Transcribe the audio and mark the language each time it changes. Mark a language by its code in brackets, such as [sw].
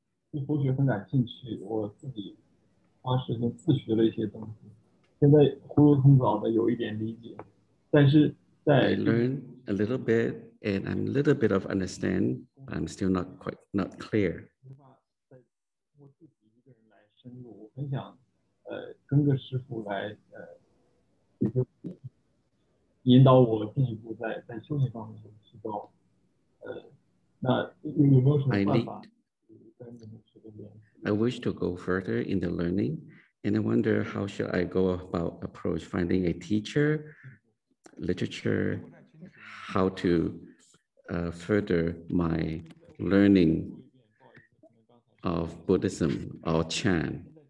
[zh] 对佛学很感兴趣，我自己花时间自学了一些东西，现在糊里糊涂的有一点理解，但是在 [en] learn a little bit and I'm a little bit of understand, but I'm still not clear. [zh] 无法在我自己一个人来深入，我很想跟着师傅来，就引导我进一步在修行方面提高。那有没有什么办法？ [en] I wish to go further in the learning, and I wonder how should I go about approach finding a teacher, literature, how to further my learning of Buddhism or Chan.